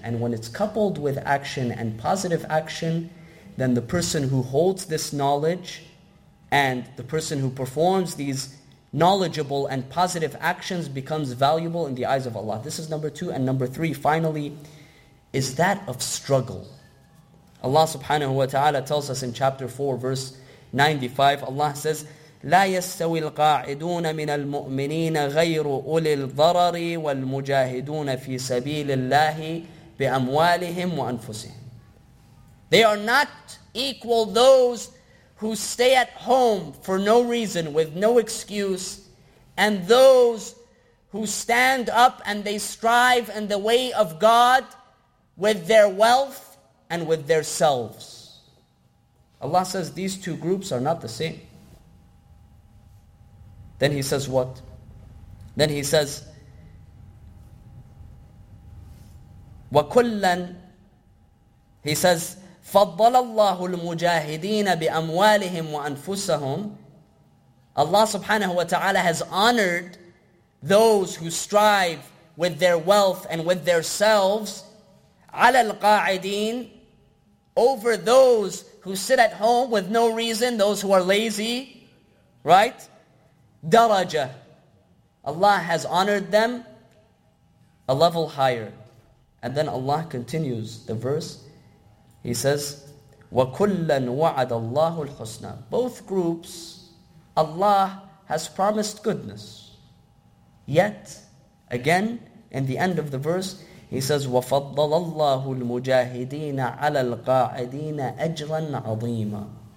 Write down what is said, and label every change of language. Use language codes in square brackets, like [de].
[en] And when it's coupled with action and positive action, then the person who holds this knowledge and the person who performs these knowledgeable and positive actions becomes valuable in the eyes of Allah. This is number two. And number three, finally, is that of struggle. Allah subhanahu wa ta'ala tells us in chapter 4, verse 95, Allah says, [ar] لَا يَسْتَوِي الْقَاعِدُونَ مِنَ الْمُؤْمِنِينَ غَيْرُ أُولِي الضَّرَرِ وَالْمُجَاهِدُونَ فِي سَبِيلِ اللَّهِ بِأَمْوَالِهِمْ وَأَنفُسِهِمْ. [en] They are not equal, those who stay at home for no reason, with no excuse, and those who stand up and they strive in the way of God with their wealth and with their selves. Allah says these two groups are not the same. Then He says what? Then He says, [ar] وَكُلًّا, [en] He says, [ar] فَضَّلَ اللَّهُ الْمُجَاهِدِينَ بِأَمْوَالِهِمْ وَأَنفُسَهُمْ. [en] Allah subhanahu wa ta'ala has honored those who strive with their wealth and with their selves, [ar] عَلَى الْقَاعِدِينَ, [en] over those who sit at home with no reason, those who are lazy, right? دَرَجَة, Allah has honored them a level higher. And then Allah continues the verse. He says, [ar] وَكُلًّا وَعَدَ اللَّهُ الْحُسْنَى. [en] Both groups, Allah has promised goodness. Yet, again, in the end of the verse, He says, [ar] وَفَضَّلَ اللَّهُ الْمُجَاهِدِينَ عَلَى الْقَاعِدِينَ أَجْرًا عَظِيمًا.